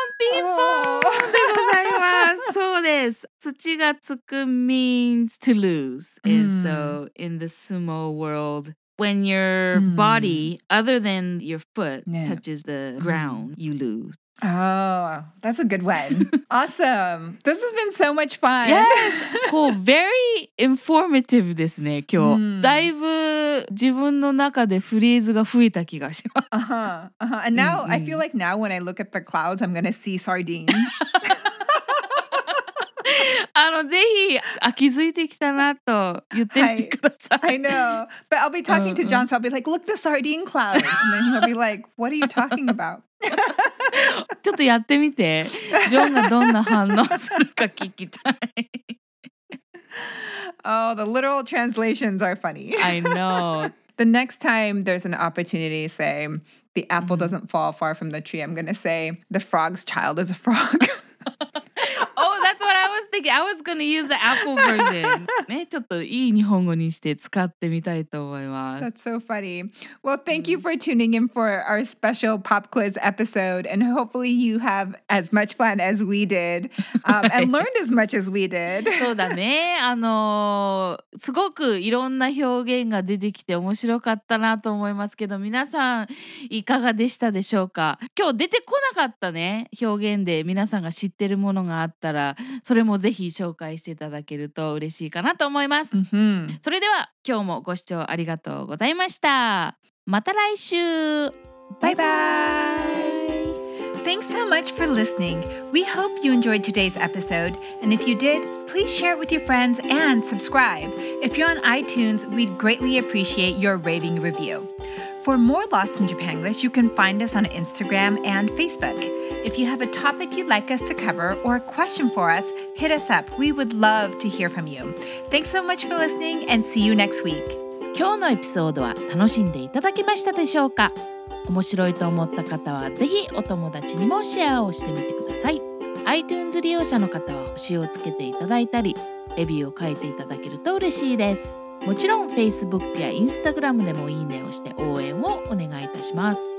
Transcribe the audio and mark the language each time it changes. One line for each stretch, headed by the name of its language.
Japanese: ピンポン、ピンポンでございます。そうです。土がつく
English: means to lose. And so in the sumo world, when your body, other than your foot, touches the ground, you lose. Oh, that's a good one. Awesome. This has been so much fun. Yes.
Japanese: こう、
English: very informative
Japanese: ですね、今日。だいぶ自分の中でフレーズが増えた気がします。
English: And now, I feel like now when I look at the clouds, I'm going to see sardines.
Japanese: ぜひ、あ、気づいてきたなと言ってみてください。
English: I know. But I'll be talking to John, so I'll be like, look, the sardine cloud. And then he'll be like, what are you talking about?
Japanese: ちょっとやってみて。ジョンがどんな反応するか聞きたい。
English: Oh, the literal translations are funny. I know. The next time there's an opportunity, say, the apple doesn't fall far from the tree, I'm going to say, the frog's child is a frog. Oh, that's what I was thinking. I was going to use the apple version.
Japanese: ね、ちょっといい日本語にして使ってみたいと思います。
English: That's so funny. Well, thank you for tuning in for our special pop quiz episode. And hopefully you have as much fun as we did. And learned as much as we did.
Japanese: そうだね。すごくいろんな表現が出てきて面白かったなと思いますけど、皆さんいかがでしたでしょうか。今日出てこなかったね、表現で皆さんが知ってるものがあったら、それもぜひ紹介していただけると嬉しいかなと思います。 Mm-hmm. それでは今日もご視聴ありがとうございました。また来週。バイバイ。
English: Thanks so much for listening. We hope you enjoyed today's episode. And if you did, please share it with your friends and subscribe. If you're on iTunes, we'd greatly appreciate your rating review. For more Lost in Japanglish, you can find us on Instagram and Facebook. If you have a topic you'd like us to cover or a question for us, hit us up. We would love to hear from you. Thanks so much for listening and see you next week.
Japanese: 今日のエピソードは楽しんでいただけましたでしょうか? 面白いと思った方はぜひお友達にもシェアをしてみてください。 iTunes 利用者の方は星をつけていただいたりレビューを書いていただけると嬉しいです。もちろん Facebook や Instagram でもいいねをして応援をお願いいたします。